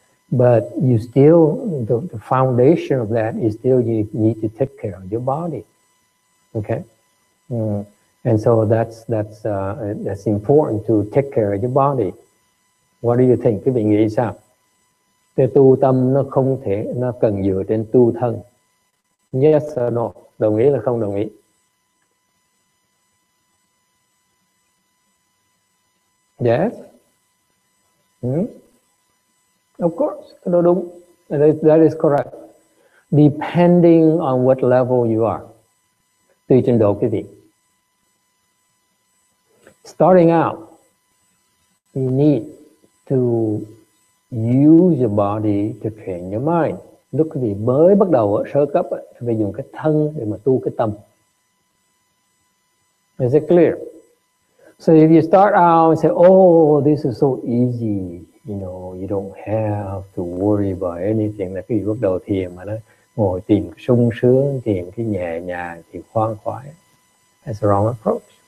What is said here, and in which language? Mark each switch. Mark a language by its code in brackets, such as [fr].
[en] But you still, the foundation of that is still you need to take care of your body. Okay? And so that's important to take care of your body. What do you think? [vi] Quý vị nghĩ sao? Thì tu tâm nó không thể, nó cần dựa trên tu thân. [en] Yes or no? [vi] Đồng ý là không đồng ý? [en] Yes? Of course, [vi] nó đúng. [en] That is correct. Depending on what level you are. [vi] Tùy trình độ quý vị. [en] Starting out, you need to use your body to train your mind. [vi] Lúc quý vị mới bắt đầu ở sơ cấp, quý vị dùng cái thân để mà tu cái tâm. [en] Is it clear? So if you start out and say, oh, this is so easy, you know, you don't have to worry about anything. [vi] Là quý vị bắt đầu thiền mà nó ngồi tìm sung sướng, tìm cái nhẹ nhàng, tìm khoan khoái. [en] That's the wrong approach.